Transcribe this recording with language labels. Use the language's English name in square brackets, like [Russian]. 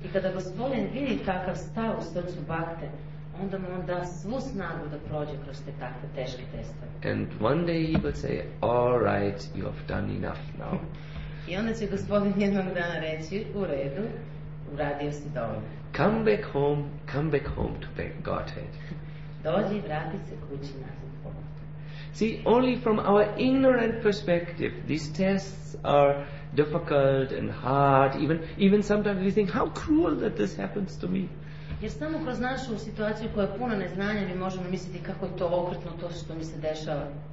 [Serbian] I kada Gospodin vidi takav stav u srcu bhakte, onda mu on da svu snagu da prođe kroz te takve teške testove. [English] And one day he will say, all right, you have done enough now. [Serbian] I onda će Gospodin jednog dana reći, u redu, uradio si dovoljno. [English] Come back home to Godhead. [Serbian] Dođi, vrati se kući nazad. [English] See, only from our ignorant perspective, these tests are difficult and hard. Even sometimes we think, how cruel that this happens to me. [Serbian] Jer samo kroz našu situaciju koja je puna neznanja, mi možemo misliti kako je to okrutno to što mi se dešava.